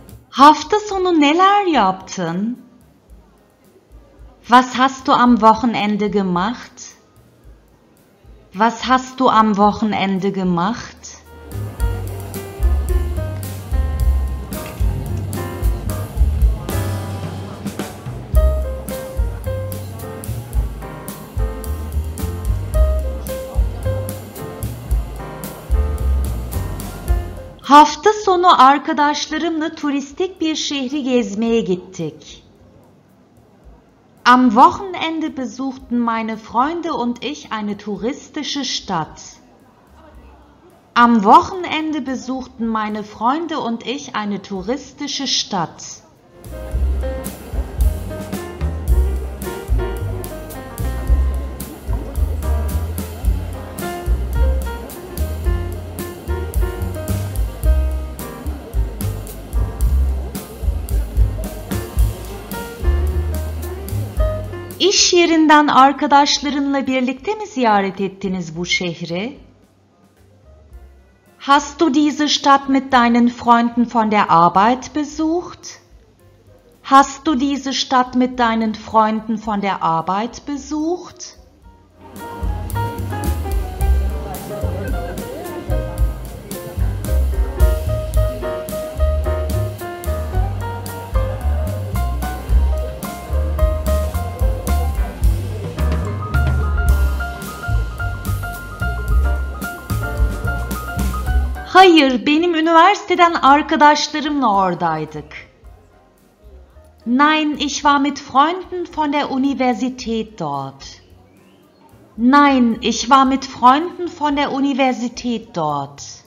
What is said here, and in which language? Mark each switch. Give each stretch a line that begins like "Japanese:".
Turkish: Hafta sonu neler yaptın?
German: Was hast du am Wochenende gemacht? Was hast du am Wochenende gemacht?
Turkish: Hafta sonu arkadaşlarımla turistik bir şehri gezmeye gittik.
German: Am Wochenende besuchten meine Freunde und ich eine touristische Stadt. Am Wochenende besuchten meine Freunde und ich eine touristische Stadt.
Turkish: İş yerinden arkadaşlarınla birlikte mi ziyaret ettiniz bu şehri?
German: Hast du diese Stadt mit deinen Freunden von der Arbeit besucht? Hast du diese Stadt mit deinen Freunden von der Arbeit besucht?
Turkish: Hayır, benim üniversiteden arkadaşlarımla oradaydık.
German: Nein, ich war mit Freunden von der Universität dort. Nein, ich war mit Freunden von der Universität dort.